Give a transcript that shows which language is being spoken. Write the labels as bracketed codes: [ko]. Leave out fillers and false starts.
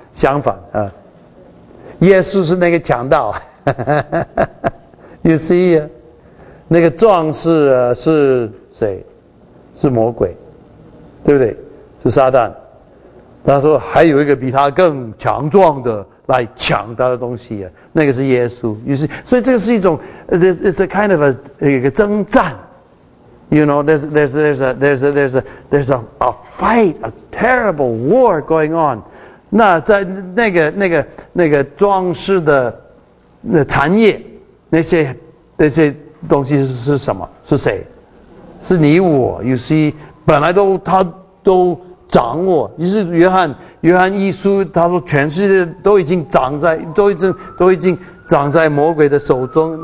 [zh] 相反啊，耶稣是那个强盗，You see， 那个壮士是谁？是魔鬼，对不对？是撒旦。他说还有一个比他更强壮的来抢他的东西啊，那个是耶稣。 You see， 所以这个是一种 ， [en] it's a kind of a [zh] 一个征战。 [en] You know, there's a fight, a terrible war going on. [zh] 那在那个装饰的那产业，那些东西是什么？是谁？是你我。You see, 本来他都掌握。于是约翰一书他说，全世界都已经掌在魔鬼的手中。